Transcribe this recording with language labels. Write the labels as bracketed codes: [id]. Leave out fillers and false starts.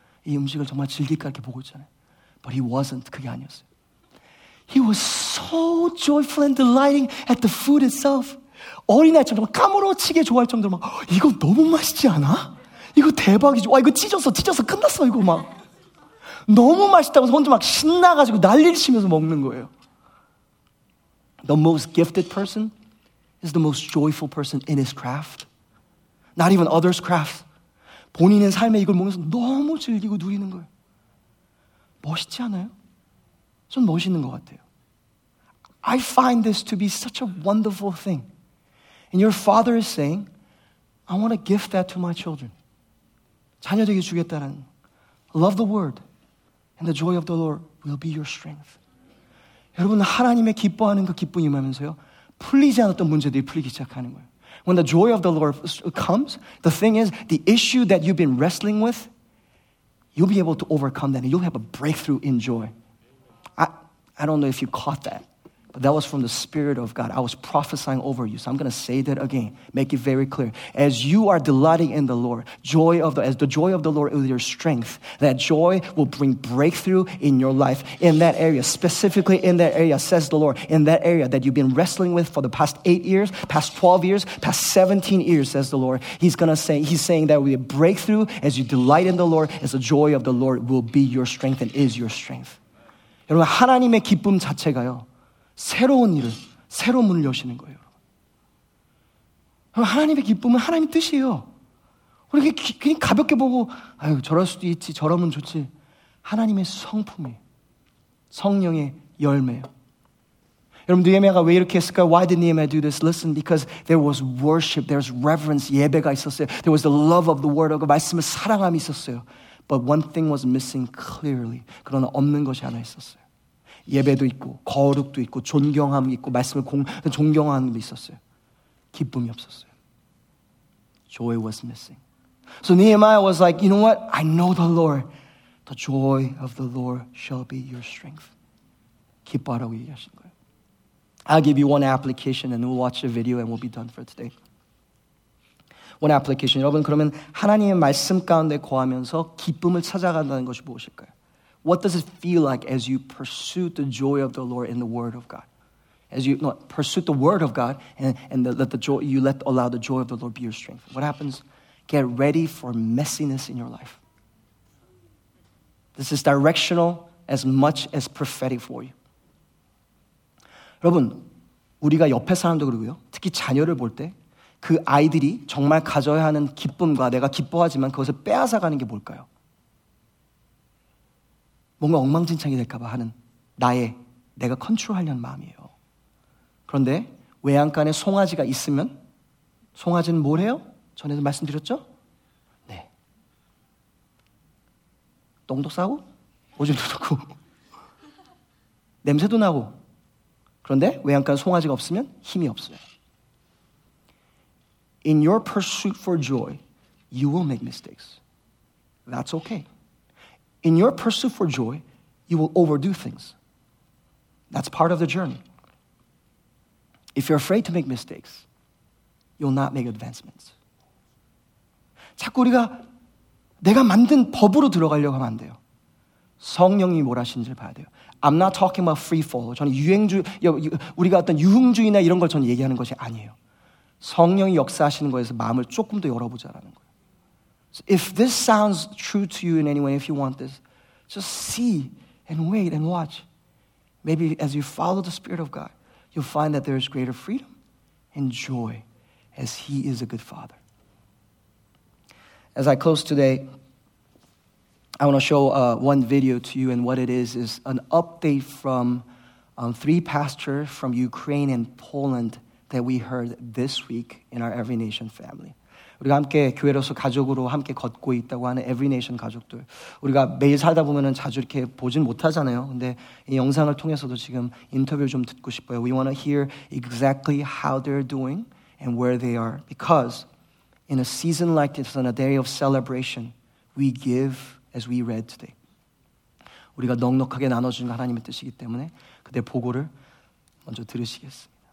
[ko] 이 음식을 정말 즐길까 이렇게 보고 있잖아요. [en] But he wasn't. [ko] 그게 아니었어요. [en] He was so joyful and delighting at the food itself. [ko] 어린애처럼 정말 까무러치게 좋아할 정도로 막 이거 너무 맛있지 않아? 이거 대박이지. 와 이거 찢어서 끝났어 이거 막. 너무 맛있다고서 혼자 막 신나가지고 난리를 치면서 먹는 거예요. [en] The most gifted person is the most joyful person in his craft. Not even others' craft. [ko] 본인의 삶에 이걸 먹으면서 너무 즐기고 누리는 거예요. 멋있지 않아요? 전 멋있는 것 같아요. [en] I find this to be such a wonderful thing. And your father is saying, I want to gift that to my children. [ko] 자녀들에게 주겠다는 [en] Love the word and the joy of the Lord will be your strength. [ko] 여러분 하나님의 기뻐하는 그 기쁨이 임하면서요 풀리지 않았던 문제들이 풀리기 시작하는 거예요. [en] When the joy of the Lord comes, the thing is, the issue that you've been wrestling with, you'll be able to overcome that and you'll have a breakthrough in joy. I don't know if you caught that, but that was from the Spirit of God. I was prophesying over you. So I'm going to say that again, make it very clear. As you are delighting in the Lord, as the joy of the Lord is your strength, that joy will bring breakthrough in your life in that area, specifically in that area, says the Lord, in that area that you've been wrestling with for the past 8 years, past 12 years, past 17 years, says the Lord. He's saying that will be a breakthrough as you delight in the Lord, as the joy of the Lord will be your strength and is your strength. [ko] 여러분 하나님의 기쁨 자체가요 새로운 일을 새로운 문을 여시는 거예요. 여러분 하나님의 기쁨은 하나님의 뜻이에요. 우리 그냥 가볍게 보고 아유 저럴 수도 있지 저러면 좋지 하나님의 성품이 성령의 열매예요. 여러분 느헤미야가 왜 이렇게 했을까요? [en] Why did Nehemiah do this? Listen, because there was worship, there's reverence, [ko] 예배가 있었어요. [en] There was the love of the word of God, [ko] 말씀의 사랑함이 있었어요. [en] But one thing was missing clearly. [ko] 그러나 없는 것이 하나 있었어요. 예배도 있고 거룩도 있고 존경함 있고 말씀을 존경하는 것도 있었어요. 기쁨이 없었어요. [en] Joy was missing. So Nehemiah was like, you know what? I know the Lord. The joy of the Lord shall be your strength. 기뻐하라고 얘기하신 거예요. I'll give you one application and we'll watch the video and we'll be done for today. One application. [ko] 여러분 그러면 하나님의 말씀 가운데 거하면서 기쁨을 찾아간다는 것이 무엇일까요? [en] What does it feel like as you pursue the joy of the Lord in the Word of God? As you pursue the Word of God and allow the joy of the Lord be your strength. What happens? Get ready for messiness in your life. This is directional as much as prophetic for you. [ko] 여러분 우리가 옆에 사람도 그러고요. 특히 자녀를 볼 때 그 아이들이 정말 가져야 하는 기쁨과 내가 기뻐하지만 그것을 빼앗아가는 게 뭘까요? 뭔가 엉망진창이 될까 봐 하는 내가 컨트롤하려는 마음이에요. 그런데 외양간에 송아지가 있으면 송아지는 뭘 해요? 전에도 말씀드렸죠? 네. 똥도 싸고 오줌도 싸고 냄새도 나고 그런데 외양간에 송아지가 없으면 힘이 없어요. [en] In your pursuit for joy, you will make mistakes. That's okay. In your pursuit for joy, you will overdo things. That's part of the journey. If you're afraid to make mistakes, you'll not make advancements. [ko] 자꾸 우리가 내가 만든 법으로 들어가려고 하면 안 돼요. 성령이 뭘 하시는지를 봐야 돼요. [en] I'm not talking about free fall. [ko] 저는 우리가 어떤 유흥주의나 이런 걸 저는 얘기하는 것이 아니에요. 성령이 역사하시는 거에서 마음을 조금 더 열어보자라는 거예요. [en] So if this sounds true to you in any way, if you want this, just see and wait and watch. Maybe as you follow the Spirit of God, you'll find that there is greater freedom and joy as He is a good Father. As I close today, I want to show one video to you, and what it is an update from three pastors from Ukraine and Poland that we heard this week in our Every Nation family. [ko] 우리가 함께 교회로서 가족으로 함께 걷고 있다고 하는 Every Nation 가족들. 우리가 매일 살다 보면은 자주 이렇게 보진 못하잖아요. 근데 이 영상을 통해서도 지금 인터뷰 좀 듣고 싶어요. [en] We want to hear exactly how they're doing and where they are. Because in a season like this, on a day of celebration, we give as we read today. [ko] 우리가 넉넉하게 나눠주는 하나님의 뜻이기 때문에 그들의 보고를 먼저 들으시겠습니다.